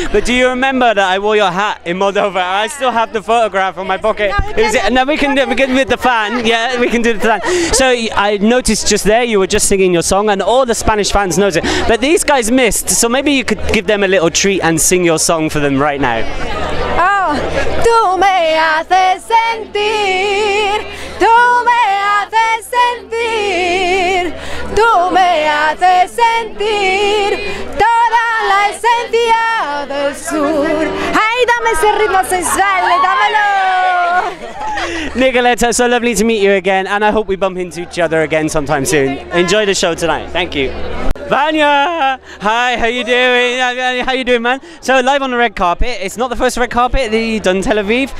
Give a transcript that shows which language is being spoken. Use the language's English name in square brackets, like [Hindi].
[English] But do you remember that I wore your hat in Moldova? And I still have the photograph in my pocket. Now we can do the fan. So I noticed just there you were just singing your song, and all the Spanish fans knows it, but these guys missed, so maybe you could give them a little treat and sing your song for them right now. [Spanish] Oh, tú me haces sentir, tú me haces sentir, tú me haces sentir toda la esencia del sur. Ay, dame ese ritmo sensual, dámelo. [English] Nicoleta, so lovely to meet you again, and I hope we bump into each other again sometime soon. Enjoy the show tonight. Thank you. Vanja! Hi, how you doing? How you doing, man? So, live on the red carpet. It's not the first red carpet that you've done in Tel Aviv.